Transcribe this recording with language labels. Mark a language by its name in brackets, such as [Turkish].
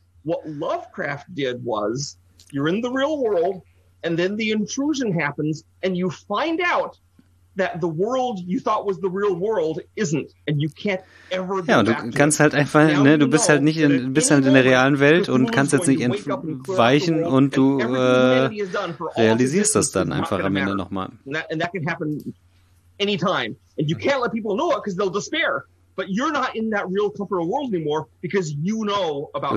[English] What Lovecraft did was, you're in the real world, and then the intrusion happens and you find out that the world you thought was the real world isn't and you can't ever [German] go. Ja, du kannst halt einfach, ne, du bist halt nicht in der realen Welt und kannst jetzt nicht entweichen und du realisierst das dann einfach am Ende nochmal. [English] And that can happen anytime and you can't let people know it because they'll despair. But you're not in that real comfortable world anymore because you know about.